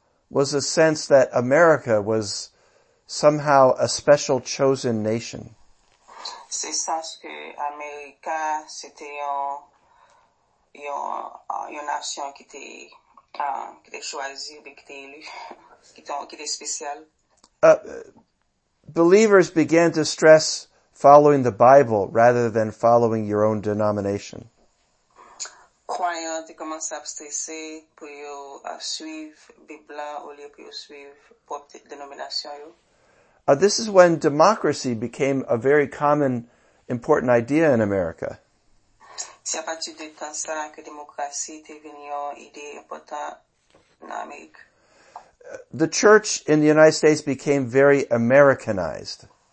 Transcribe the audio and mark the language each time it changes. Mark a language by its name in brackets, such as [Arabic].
[English] was a sense that America was somehow a special chosen nation. [French] C'est ça ce que America, c'était une nation qui était choisie, qui était élue, qui était spéciale. [English] Believers began to stress following the Bible rather than following your own denomination. [French] Croyants commencent à stresser pour suivre la Bible au lieu pour suivre votre dénomination. [English] This is when democracy became a very common, important idea in America. [French] C'est à partir de temps ça que la démocratie est devenue une idée importante en Amérique. [English] The church in the United States became very Americanized.